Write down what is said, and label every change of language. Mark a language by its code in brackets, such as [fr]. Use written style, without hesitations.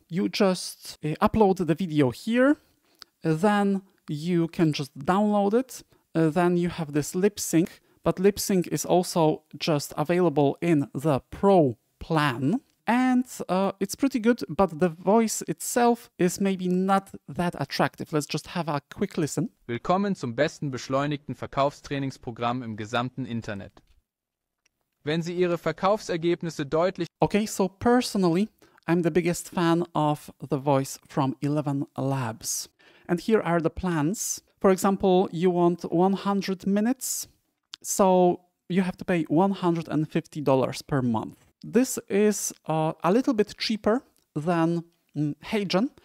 [en] You just upload the video here, then you can just download it, then you have this lip sync. But lip sync is also just available in the pro plan, and it's pretty good, but the voice itself is maybe not that attractive. Let's just have a quick listen. [de] Willkommen zum besten beschleunigten Verkaufstrainingsprogramm im gesamten Internet. Wenn Sie Ihre Verkaufsergebnisse deutlich... [en] Okay, so personally, I'm the biggest fan of the voice from 11 Labs. And here are the plans. For example, you want 100 minutes. So you have to pay $150 per month. This is a little bit cheaper than HeyGen,